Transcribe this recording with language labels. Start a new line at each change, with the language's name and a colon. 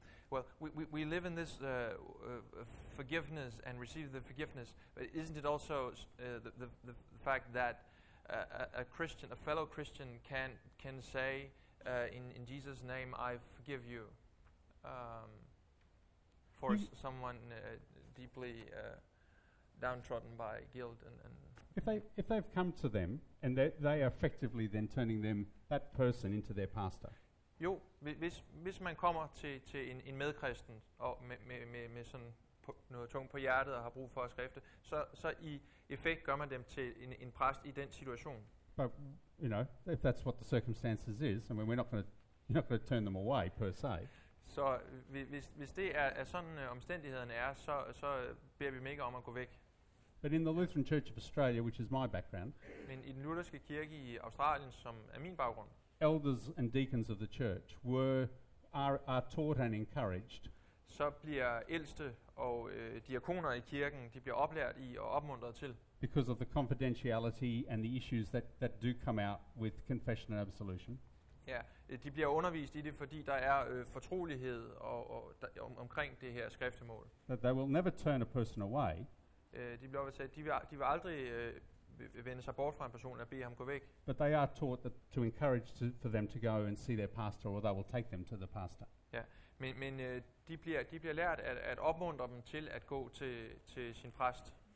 English: Well, we live in this forgiveness and receive the forgiveness, but isn't it also the fact that a Christian, a fellow Christian, can say in Jesus' name, I forgive you, for someone deeply downtrodden by guilt and if they've come to them and they are effectively then turning them that person into their pastor.
Danish: Jo, hvis man kommer til en medkristen og med sådan noget tungt på hjertet og har brug for at skrifte, så i effekt gør man dem til en præst i den situation.
English: But you know, if that's what the circumstances is, I mean, you're not gonna turn them away per se.
Danish: Så hvis det er sådan omstændighederne er, så beder vi dem ikke om at gå væk.
English: But in the Lutheran Church of Australia, which is my background.
Danish: Men i den lutherske kirke i Australien, som er min baggrund.
English: Elders and deacons of the church are taught and encouraged.
Danish: Så bliver ældste og diakoner i kirken, de bliver oplært i og opmuntret til.
English: Because of the confidentiality and the issues that do come out with confession and absolution.
Danish: Ja, de bliver undervist i det, fordi der er fortrolighed omkring det her skriftemål.
English: That they will never turn a person away.
Danish: De bliver sagt, de vil aldrig vende sig bort fra en person og bede ham gå væk.
English: But they are taught that to encourage for them to go and see their pastor, or they will take them to the pastor.
Danish: Ja, men de bliver lært at opmuntre dem til at gå til sin præst.